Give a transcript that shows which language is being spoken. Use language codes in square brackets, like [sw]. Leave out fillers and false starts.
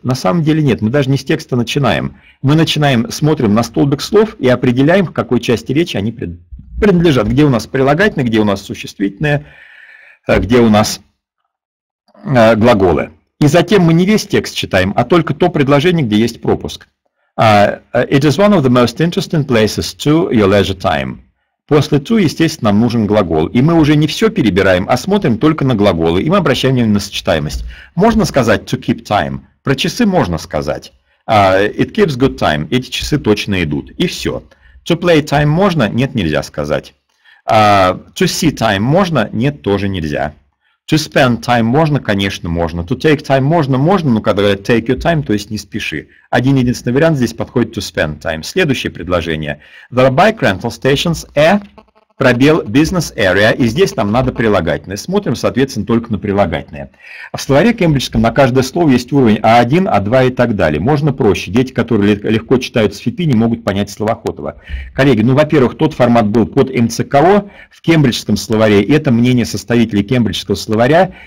[ru] На самом деле нет, мы даже не с текста начинаем. Мы начинаем, смотрим на столбик слов и определяем, в какой части речи они принадлежат. Где у нас прилагательное, где у нас существительное, где у нас глаголы. И затем мы не весь текст читаем, а только то предложение, где есть пропуск. [en] It is one of the most interesting places to your leisure time. [ru] После to, естественно, нам нужен глагол. И мы уже не все перебираем, а смотрим только на глаголы. И мы обращаем внимание на сочетаемость. Можно сказать to keep time. Про часы можно сказать. [en] It keeps good time. [ru] Эти часы точно идут. И все. To play time можно? Нет, нельзя сказать. To see time можно? Нет, тоже нельзя. To spend time можно, конечно, можно. To take time можно, можно, но когда говорят [en] take your time, [ru] то есть не спеши. Один-единственный вариант здесь подходит to spend time. Следующее предложение. [en] There are bike rental stations, a, пробел, business area. [ru] И здесь нам надо прилагательное. Смотрим, соответственно, только на прилагательное. В словаре кембриджском на каждое слово есть уровень А1, А2 и так далее. Можно проще. Дети, которые легко читают с ФИПИ, не могут понять словоохотово. Коллеги, ну, во-первых, тот формат был под МЦКО. В кембриджском словаре это мнение составителей кембриджского словаря.